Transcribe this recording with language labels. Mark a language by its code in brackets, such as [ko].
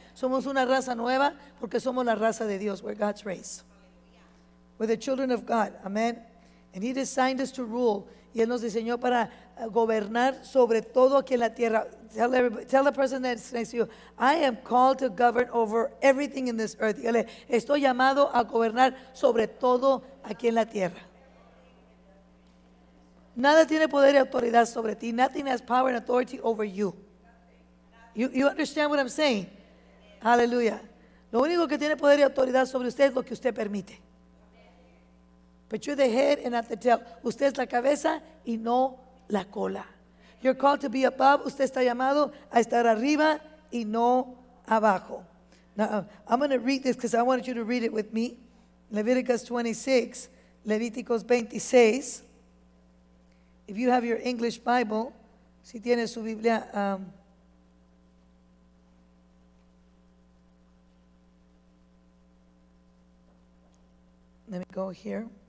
[es] Somos una raza nueva porque somos la raza de Dios. [en] We're God's race. We're the children of God. Amen. And he designed us to rule. [es] Y él nos diseñó para gobernar sobre todo aquí en la tierra. [en] Tell the person that's next to you, I am called to govern over everything in this earth. [es] Dígale, estoy llamado a gobernar sobre todo aquí en la tierra. Nada tiene poder y autoridad sobre ti. [en] Nothing has power and authority over you. You understand what I'm saying? [es] Hallelujah. Lo único que tiene poder y autoridad sobre usted es lo que usted permite. [en] But you're the head and not the tail. [es] Usted es la cabeza y no la cola. [en] You're called to be above. [es] Usted está llamado a estar arriba y no abajo. [en] Now, I'm going to read this because I wanted you to read it with me. Leviticus 26, Levíticos 26. If you have your English Bible, [es] si tiene su Biblia, [en] let me go here.